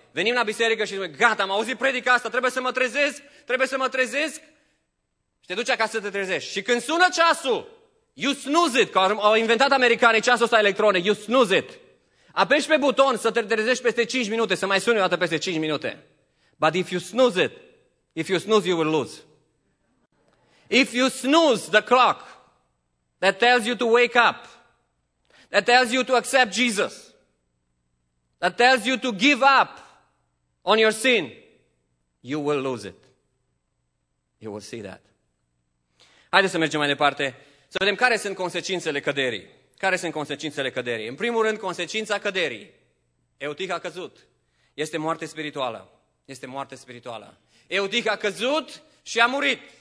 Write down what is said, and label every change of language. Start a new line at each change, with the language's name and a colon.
Romanian: Venim la biserică și zicem, gata, am auzit predica asta, trebuie să mă trezesc. Și te duci acasă să te trezești. Și când sună ceasul,
English: you snooze it,
Romanian: că au inventat americanii ceasul ăsta electronic,
English: you snooze it.
Romanian: Apeși pe buton să te trezești peste 5 minute, să mai suni o dată peste 5 minute.
English: But if you snooze, you will lose. If you snooze the clock that tells you to wake up, that tells you to accept Jesus, that tells you to give up on your sin, you will lose it. You will see that.
Romanian: Haideți să mergem mai departe. Să vedem care sunt consecințele căderii. Care sunt consecințele căderii? În primul rând, consecința căderii. Eutic a căzut. Este moarte spirituală. Este moarte spirituală. Eutic a căzut și a murit.